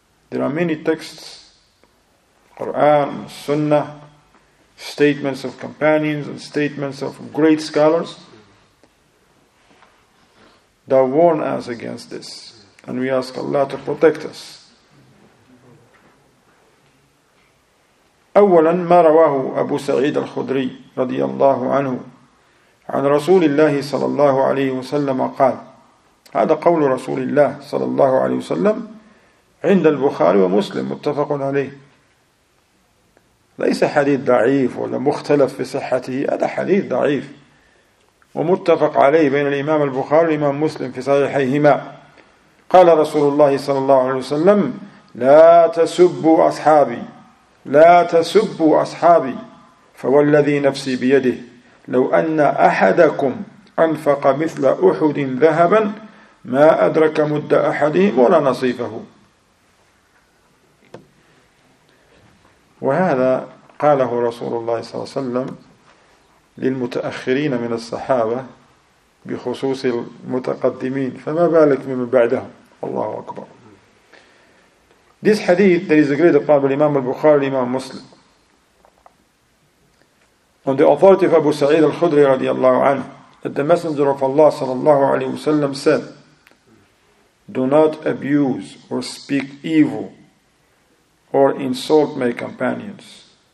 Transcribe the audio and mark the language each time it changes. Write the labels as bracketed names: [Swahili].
[English] There are many texts, Quran, Sunnah, statements of companions and statements of great scholars that warn us against this. And we ask Allah to protect us. [Arabic] أولا ما رواه أبو سعيد الخدري رضي الله عنه عن رسول الله صلى الله عليه وسلم قال هذا قول رسول الله صلى الله عليه وسلم عند البخاري ومسلم متفق عليه ليس حديث ضعيف ولا مختلف في صحته هذا حديث ضعيف ومتفق عليه بين الإمام البخاري والإمام مسلم في صحيحيهما قال رسول الله صلى الله عليه وسلم لا تسبوا أصحابي لا تسبوا أصحابي فوالذي نفسي بيده لو أن أحدكم أنفق مثل أحد ذهبا ما أدرك مد أحدهم ولا نصيفه. وهذا قاله رسول الله صلى الله عليه وسلم للمتأخرين من الصحابة بخصوص المتقدمين فما بالك من بعدهم. Allahu Akbar. [English] This hadith that is agreed upon by Imam al-Bukhari, Imam Muslim, on the authority of Abu Sa'id al-Khudri radiallahu anhu, that the Messenger of Allah sallallahu alayhi wasallam said, do not abuse or speak evil or insult my companions.